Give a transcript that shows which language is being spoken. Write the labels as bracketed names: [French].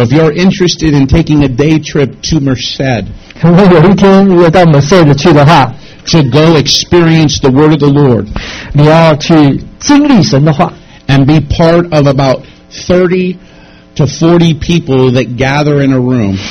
[English] if you're interested in taking a day trip to Merced, [Chinese] 如果有一天如果到 Merced 去的话。 [English] To go experience the word of the Lord. [Chinese] 你要去经历神的话, [English] and be part of about 30 to 40 people that gather in a room.